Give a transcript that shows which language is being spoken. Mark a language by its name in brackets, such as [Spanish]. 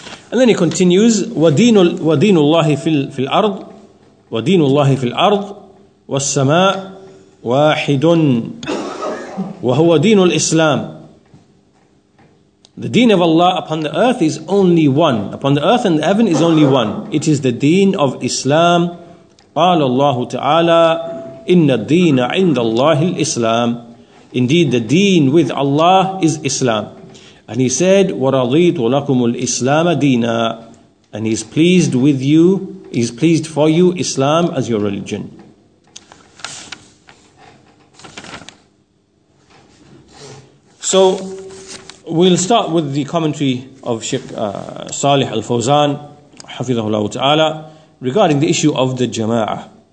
[English] And then he continues, [Arabic] وَدِينُ اللَّهِ فِي الْأَرْضِ وَدِينُ اللَّهِ فِي الْأَرْضِ وَالسَّمَاءِ وَاحِدٌ وَهُوَ دِينُ الْإِسْلَامِ. [English] The deen of Allah upon the earth is only one. Upon the earth and the heaven is only one. It is the deen of Islam. [Arabic] قَالَ اللَّهُ تَعَالَى إِنَّ الدِّينَ عِنْدَ اللَّهِ الْإِسْلَامِ. [English] Indeed, the deen with Allah is Islam. And he said, [Arabic] وَرَضِيتُ لَكُمُ الْإِسْلَامَ دِينًا. [English] And he's pleased with you, he's pleased for you, Islam as your religion. So, we'll start with the commentary of Sheikh Salih Al-Fawzan, [Arabic] حفظه الله تعالى, [English] regarding the issue of the jama'ah.